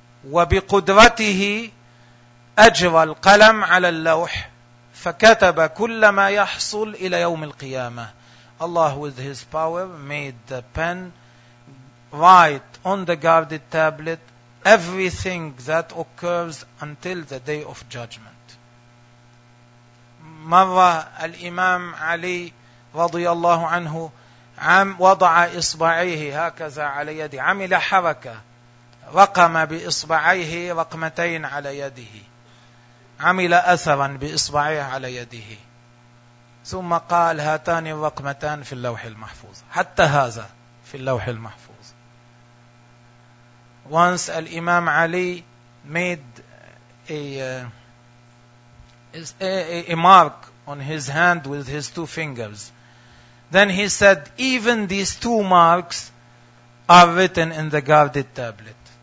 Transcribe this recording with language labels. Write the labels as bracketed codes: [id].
[ar] وبقدرته أجرى القلم على اللوح فكتب كل ما يحصل إلى يوم القيامة. [en] Allah with his power made the pen write on the guarded tablet everything that occurs until the day of judgment. [ar] مرة الإمام علي رضي الله عنه وضع إصبعيه هكذا على يدي, عمل حركة, رقم بإصبعيه رقمتين على يده, عمل أثرا بإصبعيه على يده, ثم قال هاتان الرقمتان في اللوح المحفوظ. حتى هذا في اللوح المحفوظ. [en] Once الإمام علي made a mark on his hand with his two fingers. Then he said, even these two marks are written in the guarded tablet.